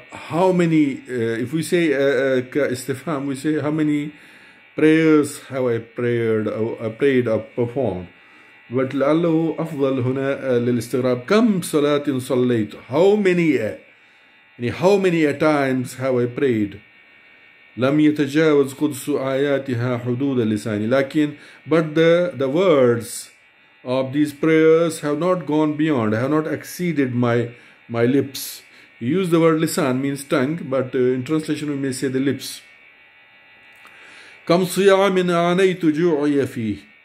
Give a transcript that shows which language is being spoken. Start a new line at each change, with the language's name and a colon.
English: How many, if we say كاستفهام, we say how many prayers have I prayed or prayed or performed. But
Arabic: لعله أفضل هنا للاستغراب. كم صلاة صليت؟
English: How many, how many times have I prayed?
Arabic: لم يتجاوز قدس آياتها حدود لساني.
English: لكن, but the words of these prayers have not gone beyond, have not exceeded my lips. Use the word lisan means tongue, but in translation we may say the lips.
Arabic: كم صيام عانيت جوعي فيه.